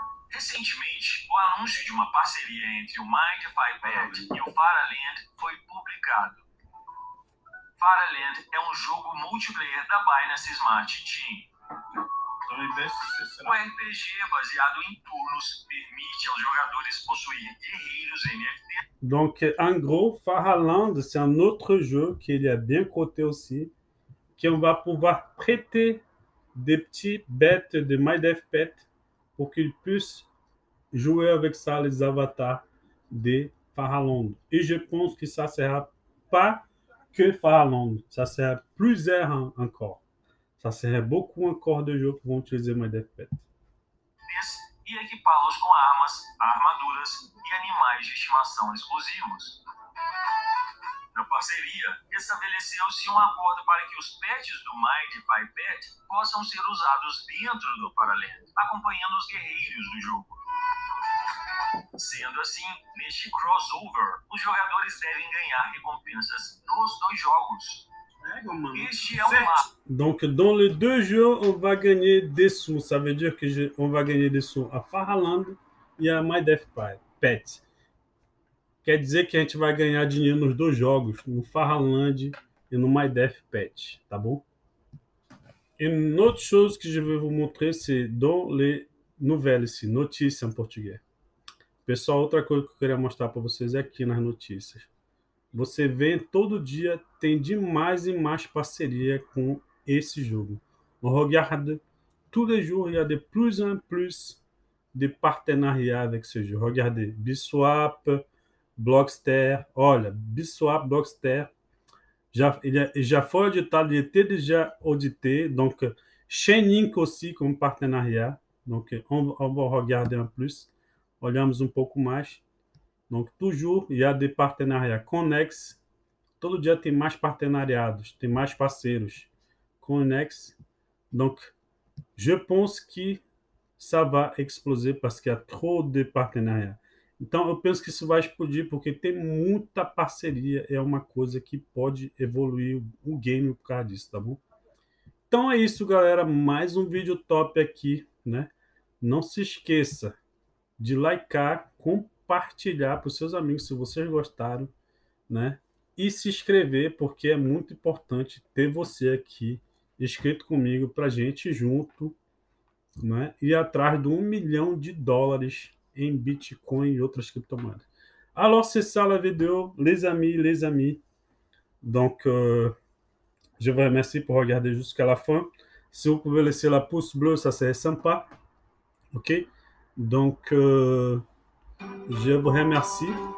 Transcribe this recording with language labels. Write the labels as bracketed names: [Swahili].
[Portuguese] Recentemente, o anúncio de uma parceria entre o Mindvipad e o Faraland foi publicado. Faraland é um jogo multiplayer da Binance Smart Chain. O RPG baseado em turnos permite aos jogadores possuir guerreiros NFT. [French] Donc, en gros, Farallande, c'est un autre jeu qui est bien coté aussi, qu'on va pouvoir prêter des petits bêtes de My Death Pet pour qu'ils puissent jouer avec ça, les avatars de Farallande. Et je pense que ça ne sera pas que Farallande, ça sera plusieurs encore. Ça serait beaucoup encore de jeux qui vont utiliser My Death Pet. [Portuguese] E equipá-los com armas, armaduras e animais de estimação exclusivos. Na parceria, estabeleceu-se um acordo para que os pets do Mindvipad possam ser usados dentro do Faraland, acompanhando os guerreiros do jogo. Sendo assim, neste crossover, os jogadores devem ganhar recompensas nos dois jogos. Mano. Este é o mapa. [French] Donc, dans les deux jeux, on va gagner des sous. Ça veut dire que on va gagner des sous à Farallande et à My Death Pet. [Portuguese] Quer dizer que a gente vai ganhar dinheiro nos dois jogos, no Farallande e no My Death Pet, tá bom? [French] Une autre chose que je vais vous montrer, c'est dans les nouvelles, [Portuguese] notícias em português. Pessoal, outra coisa que eu queria mostrar para vocês é aqui nas notícias. Você vê, todo dia tem de mais e mais parceria com esse jogo. [French] Regarde, tous les jours il y a de plus en plus de partenariat avec ce jeu. Regarde, Biswap, Blockster, [Portuguese] olha, [French] Biswap, Blockster, [Portuguese] já foi auditado, [French] il était déjà audité, donc Chainlink aussi comme partenariat. Donc, on va regarder un plus. [Portuguese] Olhamos um pouco mais. [French] Donc, toujours il y a des partenariats. [Portuguese] Connex, todo dia tem mais partenariados, tem mais parceiros. Connex. [French] Donc, je pense que ça va exploser parce qu'il y a trop de partenariats. [Portuguese] Então, eu penso que isso vai explodir porque tem muita parceria. É uma coisa que pode evoluir o game por causa disso, tá bom? Então, é isso, galera. Mais um vídeo top aqui, né? Não se esqueça de likear, compartilhar para os seus amigos se vocês gostaram, né? E se inscrever, porque é muito importante ter você aqui inscrito comigo para a gente junto, né? Ir atrás de 1 milhão de dólares em Bitcoin e outras criptomoedas. [French] Alors, c'est ça la vidéo, les amis. Donc, je vous remercie pour regarder jusqu'à la fin. Si vous pouvez laisser la pouce bleue, ça serait sympa. Ok? Donc, je vous remercie.